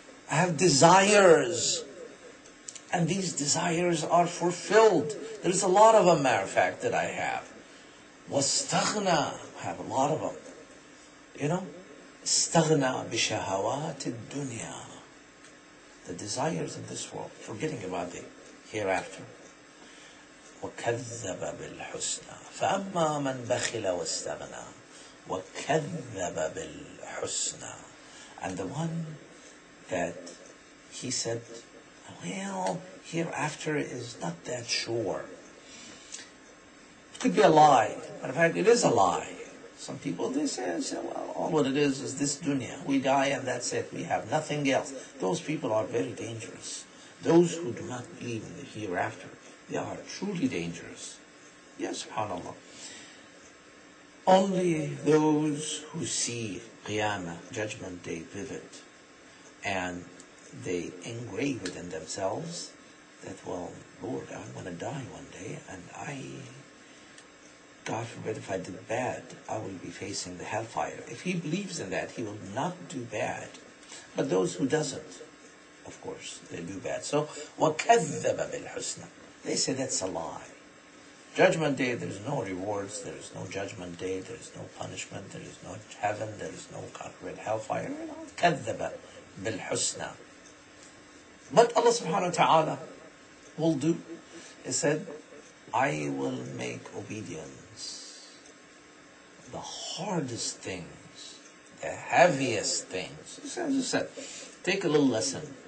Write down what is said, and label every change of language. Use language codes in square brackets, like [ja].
[en] I have desires. And these desires are fulfilled. There's a lot of them, matter of fact, that I have. [ar] Wastaghna, [en] I have a lot of them. You know? [ar] Staghna bishahawat ad-dunya. [en] The desires of this world, forgetting about the hereafter. [ar] وكذب بالحسنى فأما من بخل واستغنى وكذب بالحسنى. [en] And the one that he said, well, hereafter is not that sure. It could be a lie. Matter of fact, it is a lie. Some people, they say, well, all what it is this dunya. We die and that's it. We have nothing else. Those people are very dangerous. Those who do not believe in the hereafter, they are truly dangerous. Yes, subhanAllah. Only those who see Qiyamah, Judgment Day, vivid, and they engrave it in themselves that, well, Lord, I'm going to die one day, and I, God forbid, if I did bad, I will be facing the hellfire. If he believes in that, he will not do bad. But those who doesn't, of course, they do bad. [ar] So, وَكَذَّبَ بِالْحُسْنَى. [en] They say that's a lie. Judgment Day, there's no rewards, there's no Judgment Day, there's no punishment, there is no heaven, there is no concrete hellfire. [ar] كَذَّبَ بِالْحُسْنَى. [en] But Allah subhanahu wa ta'ala will do. He said, I will make obedience the hardest things, the heaviest things. He said, take a little lesson